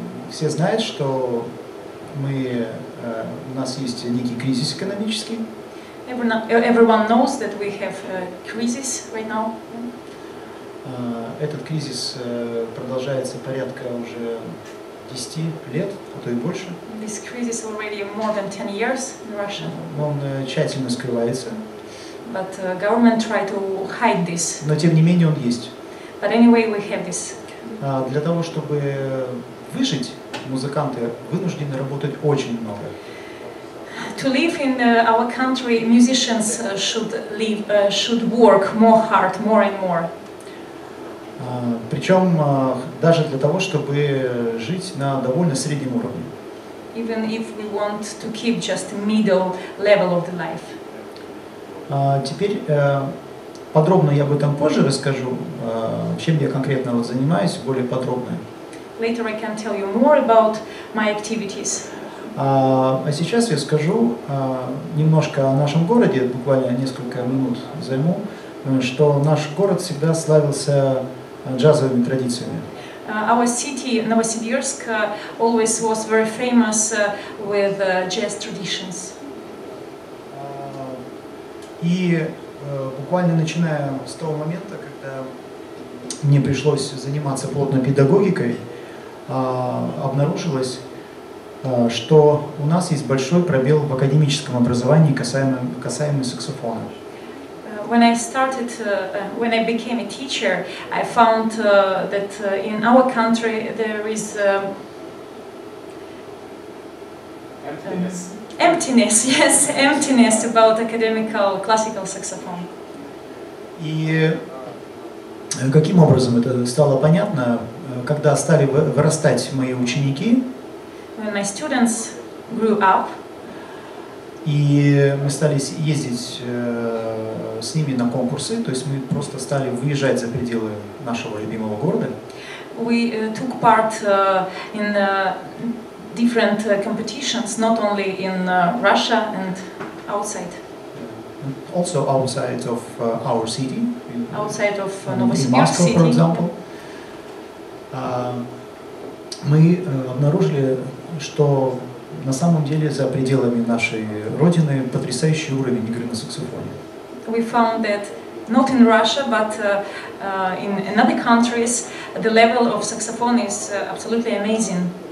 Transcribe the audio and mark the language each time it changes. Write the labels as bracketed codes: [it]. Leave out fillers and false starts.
[ru] Все знают, что мы у нас есть некий кризис экономический. [en] Everyone knows that we have a crisis right now. [ru] Этот кризис продолжается порядка уже 10 лет, а то и больше. [en] This crisis already more than 10 years in Russia. [ru] Он тщательно скрывается. [en] But government tried to hide this. [ru] Но тем не менее он есть. [en] But anyway, we have this. [ru] Для того, чтобы выжить, музыканты вынуждены работать очень много. [en] To live in our country, musicians should live, should work more hard, more and more. [ru] Причем даже для того, чтобы жить на довольно среднем уровне. [en] Even if we want to keep just the middle level of the life. [ru] Теперь подробно я об этом позже расскажу, чем я конкретно вот занимаюсь, более подробно. [en] Later I can tell you more about my activities. [ru] А сейчас я скажу немножко о нашем городе, буквально несколько минут займу, что наш город всегда славился джазовыми традициями. [en] Our city, Novosibirsk, always was very famous with jazz traditions. [ru] И буквально начиная с того момента, когда мне пришлось заниматься плотно педагогикой, обнаружилось, что у нас есть большой пробел в академическом образовании касаемо саксофона. [en] When I started, when I became a teacher, I found that in our country there is emptiness. Emptiness, yes, emptiness about academical classical saxophone. [ru] И каким образом это стало понятно, когда стали вырастать мои ученики? [en] When my students grew up. [ru] И мы стали ездить с ними на конкурсы, то есть мы просто стали выезжать за пределы нашего любимого города. [en] We took part in different competitions, not only in Russia and outside. Also outside of our city. Outside of Novosibirsk city. In Moscow, for example. [ru] Мы обнаружили, что на самом деле за пределами нашей родины потрясающий уровень игры на саксофоне. [en] We found that not in Russia, but in other countries, the level of saxophone is absolutely amazing.